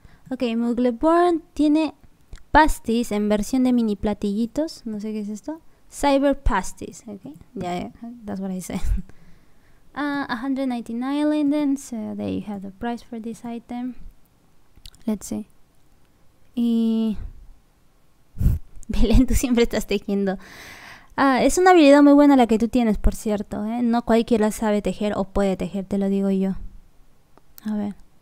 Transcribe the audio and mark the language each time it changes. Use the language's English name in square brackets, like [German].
[Spanish] Ok, Mugleborn tiene pastis en versión de mini platillitos. No sé qué es esto. Cyber pastis. Ok, [English] that's what I said. 199 lindens, there you have the price for this item. Let's see. Y... [Spanish] Belén, tú siempre estás tejiendo. Es una habilidad muy buena la que tú tienes, por cierto, ¿eh? No cualquiera sabe tejer o puede tejer, te lo digo yo. A ver.